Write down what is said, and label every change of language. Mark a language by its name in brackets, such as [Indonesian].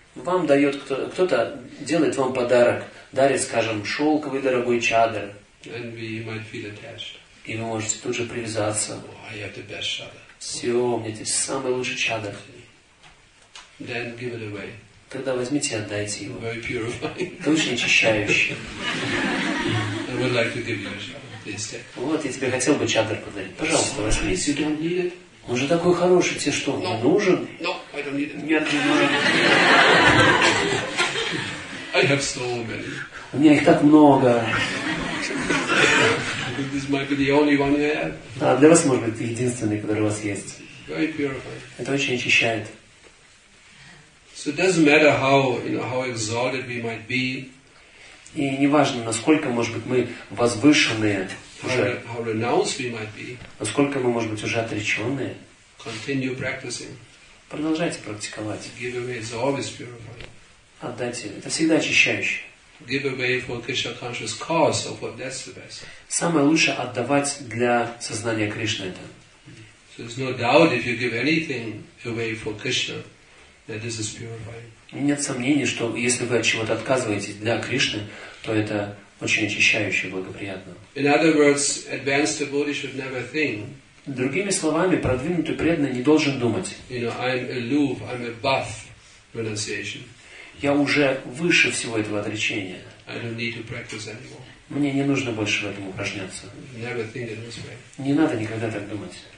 [Russian] Вам дает кто-то делает вам подарок, дарит, скажем, шелковый дорогой чадр. [English] And we might feel attached. [Russian] И вы можете тут же привязаться. [English] Oh, I have the best shadow. [Russian] Все, у меня здесь самый лучший чадр. [English] Then give it away. [Russian] Тогда возьмите и отдайте его. [English] Very purifying. [Russian] Это очень очищающее. [English] I would like to give you a chadar. [Russian] Вот, я тебе хотел бы чадр подарить. Пожалуйста, возьми. [English] You don't need it. [Russian] Он же такой хороший. Тебе что, он нужен? [English] No, I don't need it. [Russian] Нет, не нужен. [English] I have so many. [Russian] У меня их так много. [English] This might be the only one you have. [Russian] А для вас, может быть, единственный, который у вас есть. [English] Very purifying. [Russian] Это очень очищает. [English] So it doesn't matter how, you know, how exalted we might be. [Russian] И неважно, насколько, может быть, мы возвышенные уже. [English] How renounced we might be. [Russian] Насколько мы, может быть, уже отреченные. [English] Continue practicing. [Russian] Продолжайте практиковать. [English] Give away is always purifying. [Russian] Отдайте. Это всегда очищающе. [English] Give away for Krishna conscious cause of what that's the best. [Russian] Самое лучшее отдавать для сознания Кришны это. [English] So there's no doubt if you give anything away for Krishna. That this is purifying. [Russian] Нет сомнений, что если вы от чего-то отказываетесь для Кришны, то это очень очищающе и благоприятно. [English] In other words, advanced devotee should never think. [Russian] Другими словами, продвинутый преданный не должен думать. [English] You know, I'm aloof, I'm above renunciation. [Russian] Я уже выше всего этого отречения. [English] I don't need to practice anymore. [Russian] Мне не нужно больше в этом упражняться. [English] Never think in this way. [Russian] Не надо никогда так думать.